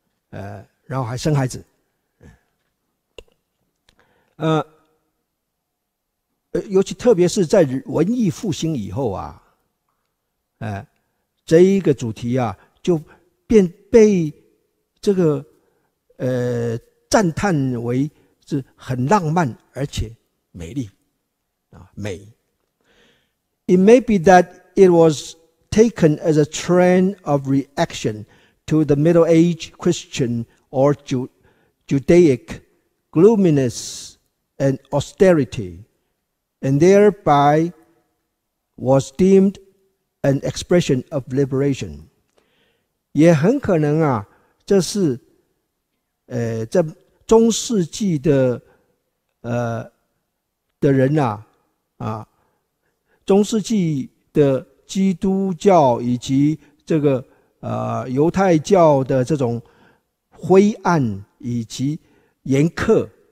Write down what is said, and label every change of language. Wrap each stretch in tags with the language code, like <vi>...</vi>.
<zh>然后还生孩子，尤其特别是在文艺复兴以后啊，这一个主题啊就变被这个赞叹为是很浪漫而且美丽啊，美。</zh> <en>It may be that it was taken as a trend of reaction to the Middle Age Christian or Judaic gloominess and austerity, and thereby was deemed an expression of liberation.</en> <zh>也很可能啊，这是在中世纪的人啊啊。中世纪的基督教以及这个犹太教的这种灰暗以及严苛</zh>